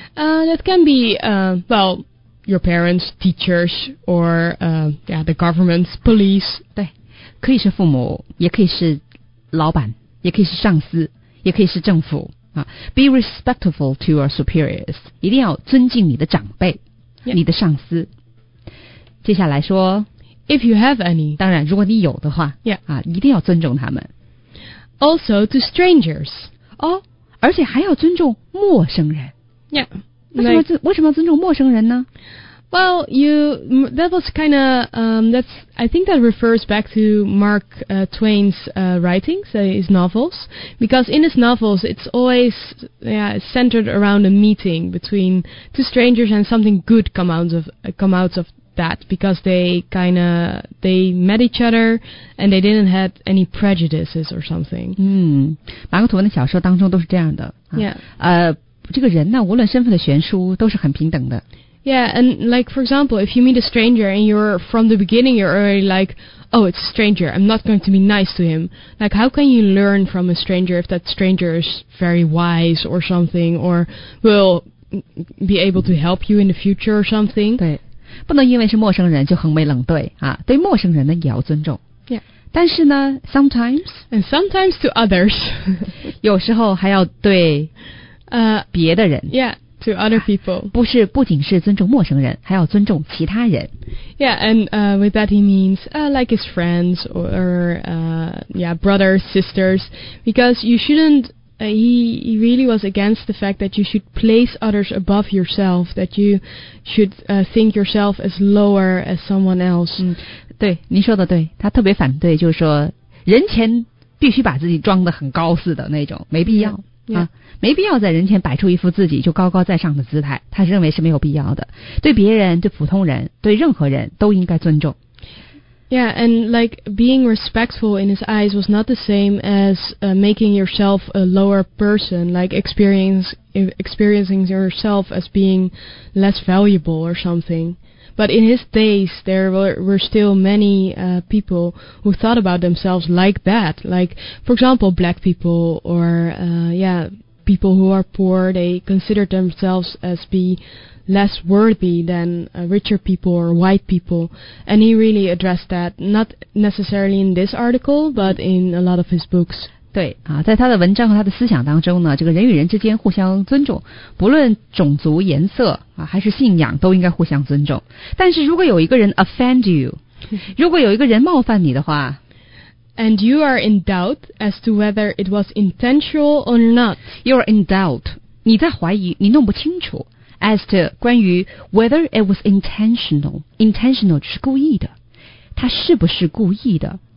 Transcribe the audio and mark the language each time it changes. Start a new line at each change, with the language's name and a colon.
English: That can be, well, your parents, teachers, or the government, police.
Chinese: 对，可以是父母，也可以是老板，也可以是上司，也可以是政府啊。
English: Be respectful to your superiors.
Chinese: 一定要尊敬你的长辈，
English: yep.
Chinese: 你的上司。接下来说
English: ，If you have any，
Chinese: 当然，如果你有的话，
English: yeah.
Chinese: 啊，一定要尊重他们。
English: Also to strangers.
Chinese: 哦，而且还要尊重陌生人。
English: Yeah. Why do you
Chinese: 尊重陌生人呢？
English: Well, I think that refers back to Mark Twain's writings, his novels. Because in his novels, it's always centered around a meeting between two strangers and something good come out of that because they kind of they met each other and they didn't have any prejudices or something.
Chinese: 嗯，马克吐温的小说当中都是这样的。
English: Yeah.
Chinese: 这个人呢，无论身份的悬殊，都是很平等的。
English: Yeah, and like for example, if you meet a stranger and you're from the beginning, you're already like, oh, it's a stranger. I'm not going to be nice to him. Like, how can you learn from a stranger if that stranger is very wise or something, or will be able to help you in the future or something?
Chinese: 对，不能因为是陌生人就横眉冷对啊！对陌生人呢也要尊重。
English: Yeah.
Chinese: 但是呢 ，sometimes
English: and sometimes to others,
Chinese: 有时候还要对别的人。
English: Yeah. To other people.
Chinese: 不是不仅是尊重陌生人还要尊重其他人
English: Yeah, and with that he means like his friends or yeah, brothers, sisters. Because you shouldn't, he really was against the fact that you should place others above yourself. That you should think yourself as lower as someone else.
Chinese: 嗯，对，您说的对，他特别反对，就是说人前必须把自己装得很高似的那种，没必要。
English: Yeah. Yeah.
Chinese: 没必要在人前摆出一副自己就高高在上的姿态，他认为是没有必要的。对别人，对普通人，对任何人都应该尊重。
English: Yeah, and like being respectful in his eyes was not the same as making yourself a lower person, like experiencing yourself as being less valuable or something. But in his days, there were still many people who thought about themselves like that. Like, for example, black people or, yeah, people who are poor, they considered themselves as be less worthy than richer people or white people. And he really addressed that, not necessarily in this article, but in a lot of his books.
Chinese: 对啊，在他的文章和他的思想当中呢，这个人与人之间互相尊重，不论种族、颜色啊，还是信仰，都应该互相尊重。但是如果有一个人
English: offend you，
Chinese: 如果有一个人冒犯你的话
English: ，and you are in doubt as to whether it was intentional or not， you are in doubt，
Chinese: 你在怀疑，你弄不清楚
English: as to
Chinese: 关于
English: whether it was intentional，
Chinese: intentional 就是故意的，他是不是故意的？